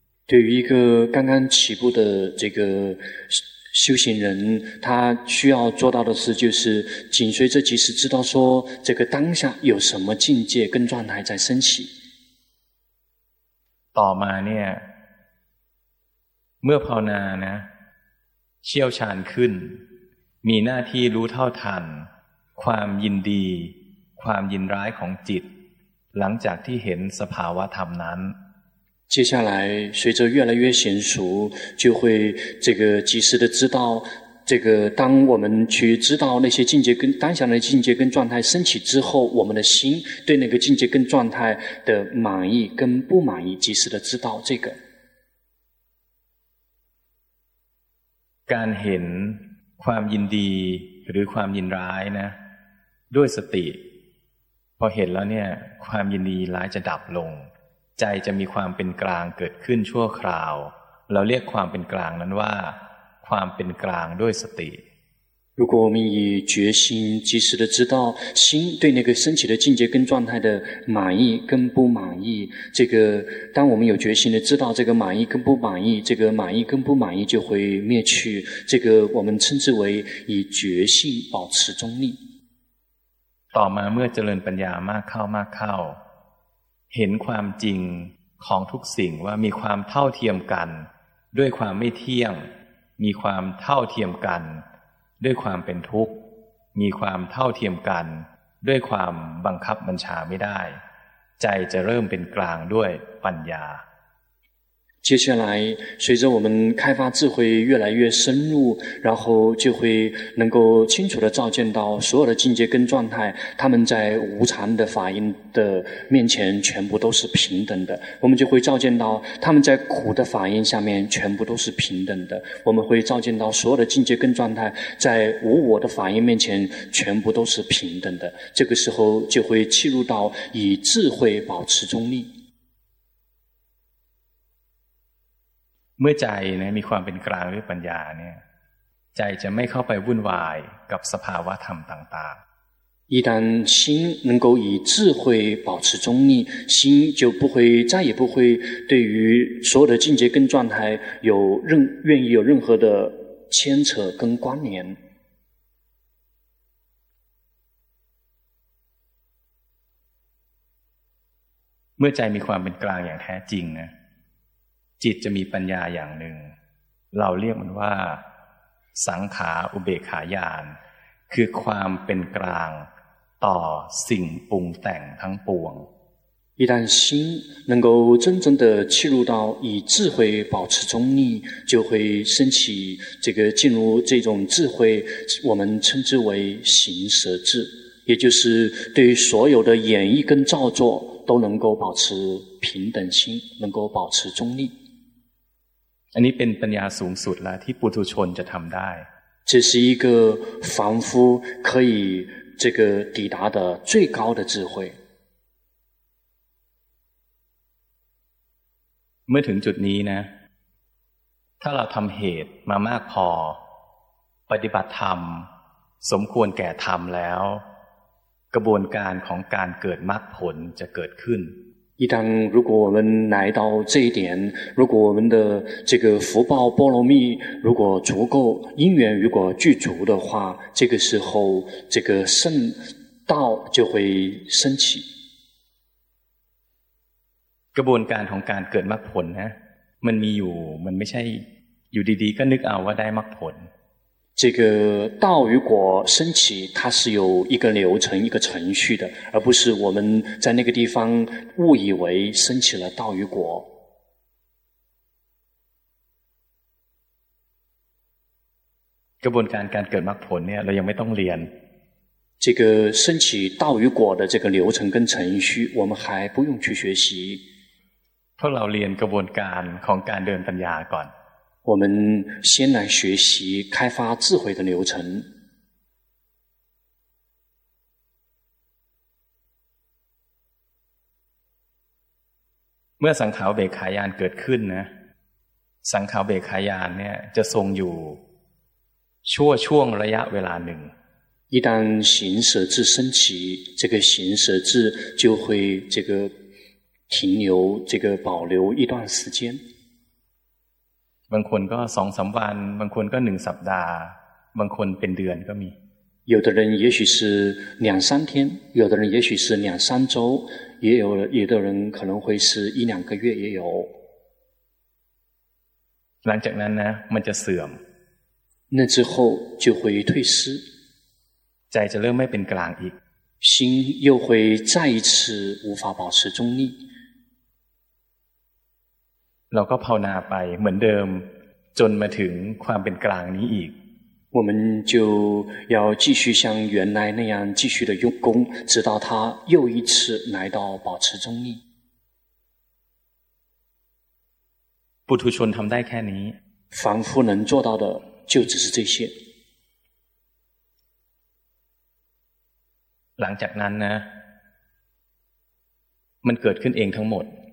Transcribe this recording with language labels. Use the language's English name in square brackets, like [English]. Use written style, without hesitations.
[Chinese] 对于一个刚刚起步的这个修行人他需要做到的事就是紧随着即时知道说这个当下有什么境界跟状态在升起 [Thai] ต่อมาเนี่ยเมื่อภาวนานะเชี่ยวชาญขึ้นมีหน้าที่รู้เท่าทันความยินดีความยินร้ายของจิตหลังจากที่เห็นสภาวะธรรมนั้น [Chinese] 接下来随着越来越娴熟就会这个及时的知道这个当我们去知道那些境界跟当下的境界跟状态升起之后我们的心对那个境界跟状态的满意跟不满意及时的知道这个 [Thai] การเห็นความยินดีหรือความยินร้ายนะด้วยสติพอเห็นแล้วเนี่ยความยินดีร้ายจะดับลงใจจะมีความเป็นกลางเกิดขึ้นชั่วคราวเราเรียกความเป็นกลางนั้นว่าความเป็นกลางด้วยสติ [Chinese] 如果我们以决心及时的知道心对那个升起的境界跟状态的满意跟不满意这个当我们有决心的知道这个满意跟不满意这个满意跟不满意就会灭去这个我们称之为以决心保持中立 [Thai] ต่อมาเมื่อเจริญปัญญามากเข้ามากเข้าเห็นความจริงของทุกสิ่งว่ามีความเท่าเทียมกันด้วยความไม่เที่ยงมีความเท่าเทียมกันด้วยความเป็นทุกข์มีความเท่าเทียมกันด้วยความบังคับบัญชาไม่ได้ใจจะเริ่มเป็นกลางด้วยปัญญา [Chinese] 接下来随着我们开发智慧越来越深入然后就会能够清楚地照见到所有的境界跟状态他们在无常的法印的面前全部都是平等的我们就会照见到他们在苦的法印下面全部都是平等的我们会照见到所有的境界跟状态在无我的法印面前全部都是平等的这个时候就会契入到以智慧保持中立 [Thai] เมื่อใจนะมีความเป็นกลางด้วยปัญญาเนี่ยใจจะไม่เข้าไปวุ่นวายกับสภาวะธรรมต่างๆ [Chinese] 一旦心能够以智慧保持中立，心就不会再也不会对于所有的境界跟状态有任愿意有任何的牵扯跟关联。 [Thai] เมื่อใจมีความเป็นกลางอย่างแท้จริงนะจิตจะมีปัญญาอย่างหนึ่งเราเรียกมันว่าสังขาอุเบกขาญาณคือความเป็นกลางต่อสิ่งปรุงแต่งทั้งปวง [Chinese] 一旦心能够真正的契入到以智慧保持中立，就会升起这个进入这种智慧，我们称之为行舍智，也就是对于所有的演绎跟造作都能够保持平等心，能够保持中立。 [Thai] อันนี้เป็นปัญญาสูงสุดแล้วที่ปุถุชนจะทำได้ [Chinese] 这是一个凡夫可以这个抵达的最高的智慧。 [Thai] เมื่อถึงจุดนี้นะถ้าเราทำเหตุมามากพอปฏิบัติธรรมสมควรแก่ธรรมแล้วกระบวนการของการเกิดมรรคผลจะเกิดขึ้น [Chinese] 一旦如果我们来到这一点，如果我们的这个福报波罗蜜如果足够，因缘如果具足的话，这个时候这个圣道就会升起。 [Thai] กระบวนการของการเกิดมรรคผลนะมันมีอยู่มันไม่ใช่อยู่ดีๆก็นึกเอาว่าได้มรรคผล [Chinese] 这个道如果升起，它是有一个流程、一个程序的，而不是我们在那个地方误以为升起了道与果。 [Thai] กระบวนการการเกิดมรรคผลเนี่ยเรายังไม่ต้องเรียน。 [Chinese] 这个升起道与果的这个流程跟程序，我们还不用去学习。 [Thai] เพราะเราเรียนกระบวนการของการเดินปัญญาก่อน。 [Chinese] 我们先来学习开发智慧的流程。 [Thai] เมื่อสังขารเบคายานเกิดขึ้นนะสังขารเบคายานเนี่ยจะทรงอยู่ชั่วช่วงระยะเวลาหนึ่ง [Chinese] 一旦行舍智升起，这个行舍智就会这个停留，这个保留一段时间。 [Thai] บางคนก็สองสามวันบางคนก็หนึ่งสัปดาห์บางคนเป็นเดือนก็มี [Chinese] 有的人也许是两三天有的人也许是两三周也有有的人可能会是一两个月也有 [Thai] หลังจากนั้นนะมันจะเสื่อม [Chinese] 那之后就会退失 [Thai] ใจจะเริ่มไม่เป็นกลางอีก [Chinese] 心又会再一次无法保持中立 [Thai] เราก็ภาวนาไปเหมือนเดิมจนมาถึงความเป็นกลางนี้อีก [Chinese] 我们就要继续像原来那样继续的用功直到他又一次来到保持中立 [Thai] ปุถุชนทำได้แค่นี้ [Chinese] 凡夫能做到的就只是这些 [Thai] หลังจากนั้นนะมันเกิดขึ้นเองทั้งหมด